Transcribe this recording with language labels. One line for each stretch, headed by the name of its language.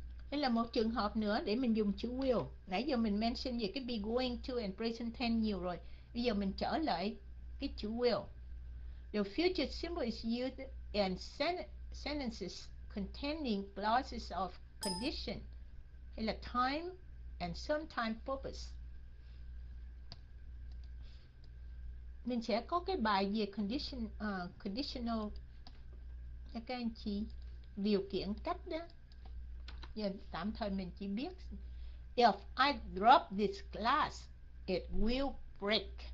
Vietnamese: Đây là một trường hợp nữa để mình dùng chữ will. Nãy giờ mình mention về cái be going to and present tense nhiều rồi. Bây giờ mình trở lại cái chữ will.
English: The future symbol is used in sentences containing clauses of condition,
Vietnamese: hay là
English: time and sometime purpose.
Vietnamese: Mình sẽ có cái bài về conditional cho các anh chị, điều kiện cách đó. Giờ tạm thời mình chỉ biết
English: if I drop this glass, it will break.